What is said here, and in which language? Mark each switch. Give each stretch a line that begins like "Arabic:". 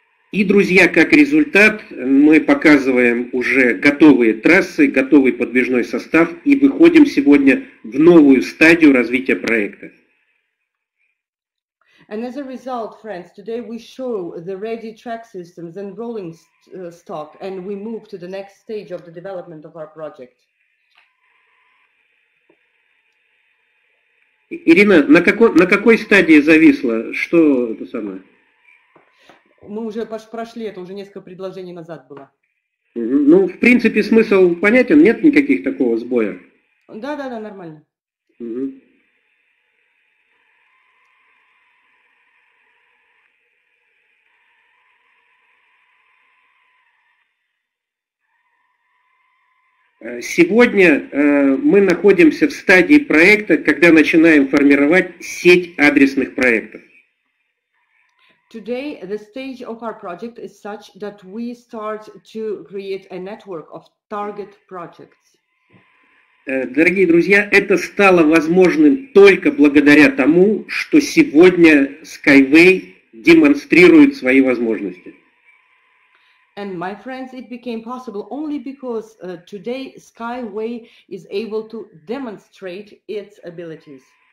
Russian: И, друзья, как результат, мы показываем уже готовые трассы, готовый подвижной состав и выходим сегодня в новую стадию развития проекта.
English: And as a result, friends, today we show the ready track systems and rolling stock, and we move to the next stage of the development of our project.
Russian: Ирина, на какой стадии зависло? Что это самое? Мы уже прошли это, уже несколько предложений назад было. Ну, в принципе, смысл понятен, нет никаких такого сбоя. Да, нормально. Угу. Сегодня мы находимся в стадии проекта, когда начинаем формировать сеть адресных проектов.
English: Today the stage of our project is such that we start to create a network of target projects.
Russian: Дорогие друзья, это стало возможным только благодаря тому, что сегодня Skyway демонстрирует свои возможности.
English: And my friends, it became possible only because today Skyway is able to demonstrate its abilities.